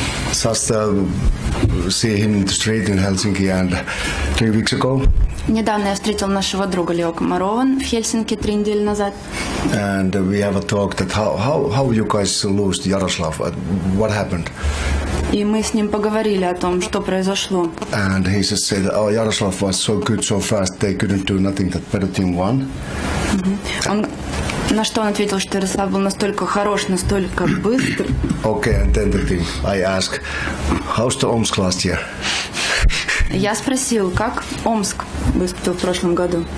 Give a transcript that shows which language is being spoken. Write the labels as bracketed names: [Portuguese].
[English] Just see him in the street in Helsinki and 3 weeks ago. [Russian] Недавно я встретил нашего друга Лео Комарова в Хельсинки 3 недели назад. [English] And we have a talk that how you guys lost Yaroslav, what happened? [Russian] И мы с ним поговорили о том, что произошло. [English] And he just said, oh, Yaroslav was so good, so fast, they couldn't do nothing, that better team won. Mm-hmm. [Russian] На что он ответил, что Ярослав был настолько хорош, настолько быстр. [English] Okay, and then the team, I ask, how's the Omsk last year? [Russian] Я спросил, как Омск выступил в прошлом году.